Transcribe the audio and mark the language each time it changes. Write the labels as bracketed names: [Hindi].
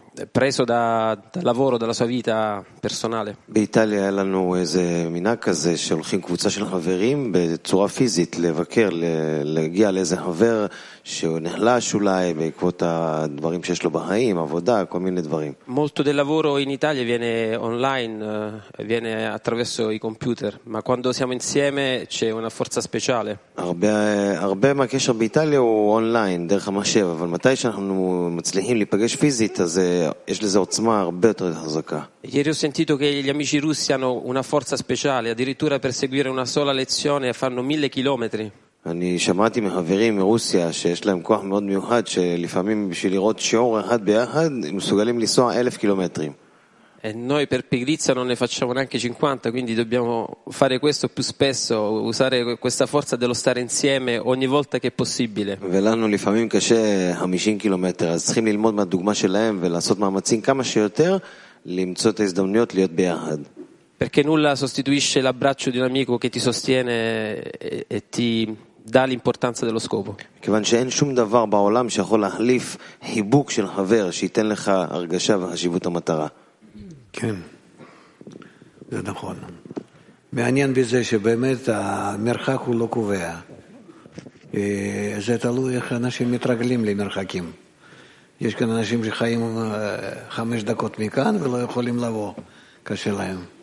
[Italian] preso da, dal lavoro, dalla sua vita personale. [Hebrew] באיטליה היה לנו איזה מנהג כזה שהולכים קבוצה של חברים בצורה פיזית לבקר, להגיע לאיזה חבר שנחלש אולי בעקבות הדברים שיש לו בחיים, עבודה, כל מיני דברים. [Italian] Molto del lavoro in Italia viene online, viene attraverso i computer, ma quando siamo insieme c'è una forza speciale. [Hebrew] הרבה מהקשר באיטליה הוא אונליין, דרך המחשב, אבל מתי שאנחנו מצליחים להיפגש פיזית, אז יש לזה עוצמה הרבה יותר חזקה. [Italian] Ieri ho sentito che gli amici russi hanno una forza speciale, addirittura per seguire una sola lezione fanno 1000 chilometri. [Hebrew] אני שמעתי מחברים מרוסיה שיש להם כוח מאוד מיוחד שלפעמים בשביל לראות שיעור אחד ביחד הם מסוגלים לנסוע 1000 קילומטרים. [Italian] E noi per pigrizia non ne facciamo neanche 50, quindi dobbiamo fare questo più spesso, usare questa forza dello stare insieme ogni volta che è possibile. [Hebrew] ולנו לפעמים קשה 50 קילומטר, אז צריכים ללמוד מהדוגמה שלהם ולעשות מאמצים כמה שיותר למצוא את ההזדמנויות להיות ביחד. [Italian] Perché nulla sostituisce l'abbraccio di un amico che ti sostiene e ti dà l'importanza dello scopo. [Hebrew] כיוון שאין שום דבר בעולם שיכול להחליף חיבוק של חבר שייתן לך הרגשה וחשיבות המטרה. כן, זה נכון. מעניין בזה שבאמת המרחק הוא לא קובע. זה תלוי איך אנשים מתרגלים למרחקים. יש כאן אנשים שחיים 5 דקות מכאן ולא יכולים לבוא קשה להם.